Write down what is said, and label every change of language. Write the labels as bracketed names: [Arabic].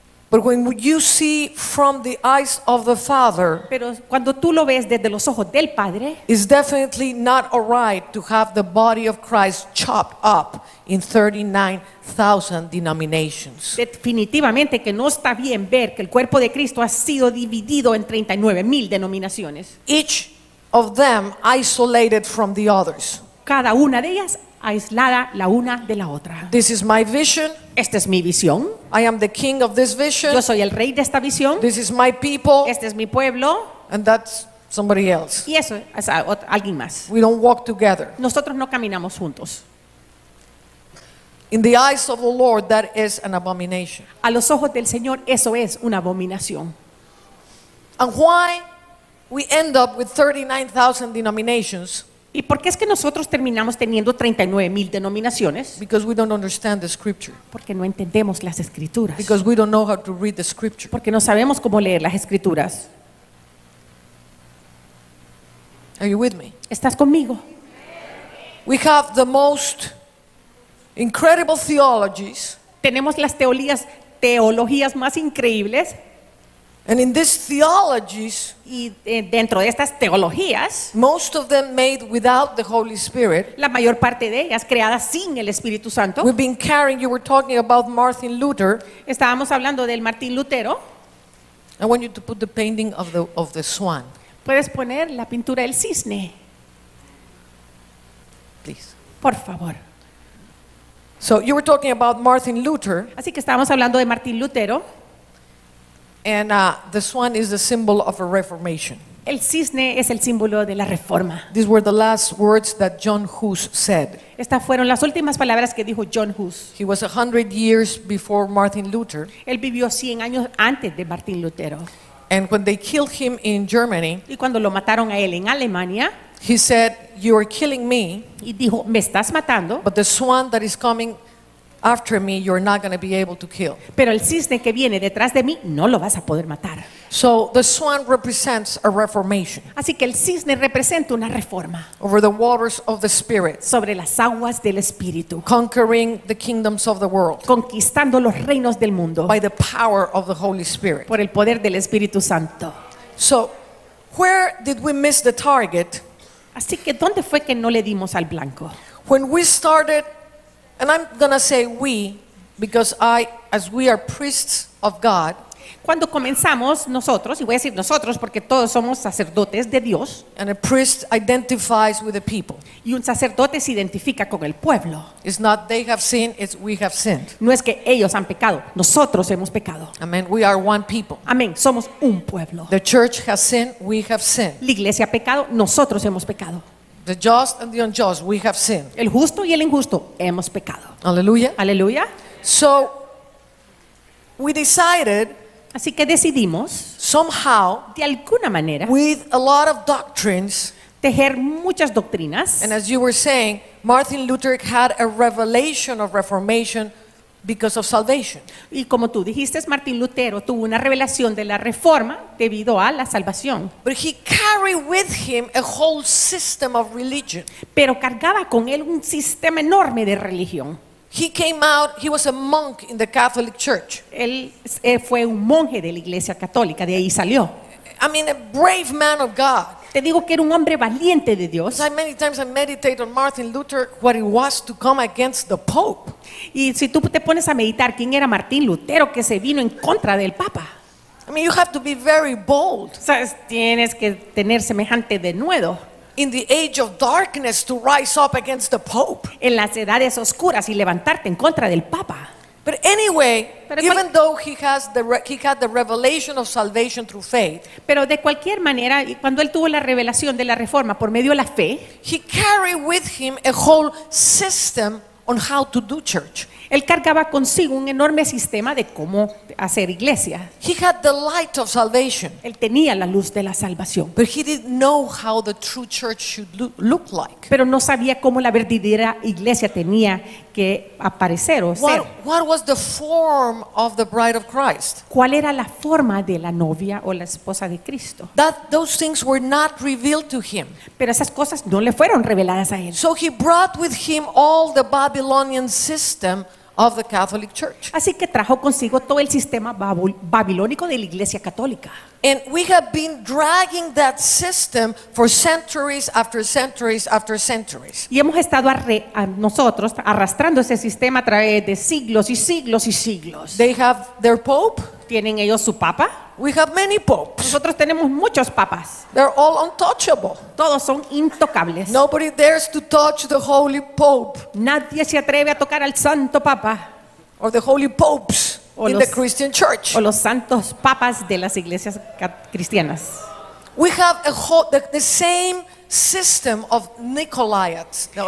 [English] But when you see from the eyes of the Father, [Spanish] pero cuando tú lo ves desde los ojos del Padre, [English] it's definitely not all right to have the body of Christ chopped up in 39,000 denominations. [Spanish] Definitivamente que no está bien ver que el cuerpo de Cristo ha sido dividido en 39,000 denominaciones. [English] Each of them isolated from the others. [Spanish] Cada una de ellas aislada la una de la otra. [English] This is my vision. [Spanish] Esta es mi visión. [English] I am the king of this vision. [Spanish] Yo soy el rey de esta visión. [English] This is my people. [Spanish] Este es mi pueblo. [English] And that's somebody else. [Spanish] Y eso es alguien más. [English] We don't walk together. [Spanish] Nosotros no caminamos juntos. [English] In the eyes of the Lord, that is an abomination. [Spanish] A los ojos del Señor, eso es una abominación. [English] And why we end up with 39,000 denominations? [Spanish] ¿Y por qué es que nosotros terminamos teniendo 39,000 denominaciones? [English] Because we don't understand the scripture. [Spanish] Porque no entendemos las escrituras. [English] Because we don't know how to read the scripture. [Spanish] Porque no sabemos cómo leer las escrituras. [English] Are you with me? [Spanish] ¿Estás conmigo? [English] We have the most incredible theologies. [Spanish] Tenemos las teologías más increíbles. [English] And in these theologies, [Spanish] y dentro de estas teologías, [English] most of them made without the Holy Spirit, [Spanish] la mayor parte de ellas creadas sin el Espíritu Santo. [English] We've been carrying. You were talking about Martin Luther. [Spanish] Estábamos hablando del Martín Lutero. [English] I want you to put the painting of the swan. [Spanish] Puedes poner la pintura del cisne. [English] Please. [Spanish] Por favor. [English] So you were talking about Martin Luther. [Spanish] Así que estábamos hablando de Martín Lutero. [English] And the swan is the symbol of a reformation. [Spanish] El cisne es el símbolo de la reforma. [English] These were the last words that John Hus said. [Spanish] Estas fueron las últimas palabras que dijo John Hus. [English] He was 100 years before Martin Luther. [Spanish] Él vivió 100 años antes de Martín Lutero. [English] And when they killed him in Germany, [Spanish] y cuando lo mataron a él en Alemania, [English] He said, "You are killing me." [Spanish] Y dijo, "Me estás matando." [English] But the swan that is coming after me, you're not going to be able to kill. [Spanish] Pero el cisne que viene detrás de mí, no lo vas a poder matar. [English] So the swan represents a reformation. [Spanish] Así que el cisne representa una reforma. [English] Over the waters of the spirit. [Spanish] Sobre las aguas del espíritu. [English] Conquering the kingdoms of the world. [Spanish] Conquistando los reinos del mundo. [English] By the power of the Holy Spirit. [Spanish] Por el poder del Espíritu Santo. [English] So, where did we miss the target? [Spanish] Así que ¿dónde fue que no le dimos al blanco? [English] When we started, and I'm going to say we, because I, as we are priests of God. [Spanish] Cuando comenzamos nosotros, y voy a decir nosotros porque todos somos sacerdotes de Dios. [English] And a priest identifies with the people. [Spanish] Y un sacerdote se identifica con el pueblo. [English] It's not they have sinned, it's we have sinned. [Spanish] No es que ellos han pecado, nosotros hemos pecado. [English] Amen. We are one people. [Spanish] Amén, somos un pueblo. [English] The church has sinned, we have sinned. [Spanish] La iglesia ha pecado, nosotros hemos pecado. [English] The just and the unjust, we have sinned. [Spanish] El justo y el injusto hemos pecado. Aleluya. Aleluya. [English] So we decided. [Spanish] Así que decidimos, [English] somehow, [Spanish] de alguna manera, [English] with a lot of doctrines, [Spanish] tejer muchas doctrinas. [English] And as you were saying, Martin Luther had a revelation of reformation because of salvation. [Spanish] Y como tú dijiste, Martín Lutero tuvo una revelación de la reforma debido a la salvación. [English] But he carried with him a whole system of religion. [Spanish] Pero cargaba con él un sistema enorme de religión. [English] He came out, he was a monk in the Catholic Church. [Spanish] Él fue un monje de la Iglesia Católica, de ahí salió. [English] I mean, a brave man of God. [Spanish] Te digo que era un hombre valiente de Dios. [English] I many times I meditate on Martin Luther, what it was to come against the Pope. [Spanish] Y si tú te pones a meditar quién era Martín Lutero que se vino en contra del Papa. [English] I mean, you have to be very bold. [Spanish] ¿Sabes? Tienes que tener semejante denuedo. [English] In the age of darkness to rise up against the Pope. [Spanish] En las edades oscuras y levantarte en contra del Papa. [English] But anyway, even though he had the revelation of salvation through faith. [Spanish] Pero de cualquier manera, cuando él tuvo la revelación de la reforma por medio de la fe, [English] he carried with him a whole system on how to do church. [Spanish] Él cargaba consigo un enorme sistema de cómo hacer iglesia. [English] He had the light of salvation. [Spanish] Él tenía la luz de la salvación. [English] But he didn't know how the true church should look like. [Spanish] Pero no sabía cómo la verdadera iglesia tenía que aparecer o ser. [English] What was the form of the bride of Christ? [Spanish] ¿Cuál era la forma de la novia o la esposa de Cristo? [English] Those things were not revealed to him. [Spanish] Pero esas cosas no le fueron reveladas a él. [English] So he brought with him all the Babylonian system of the Catholic Church. [Spanish] Así que trajo consigo todo el sistema babilónico de la Iglesia Católica. [English] And we have been dragging that system for centuries after centuries after centuries. [Spanish] Y hemos estado nosotros arrastrando ese sistema a través de siglos y siglos y siglos. [English] They have their pope. [Spanish] Tienen ellos su papa. [English] We have many popes. [Spanish] Nosotros tenemos muchos papas. [English] They're all untouchable. [Spanish] Todos son intocables. [English] Nobody dares to touch the holy pope. [Spanish] Nadie se atreve a tocar al santo papa. [English] Or the holy popes. In the Christian church. [Spanish] O los santos papas de las iglesias cristianas. [English] We have the same system of Nicolaites.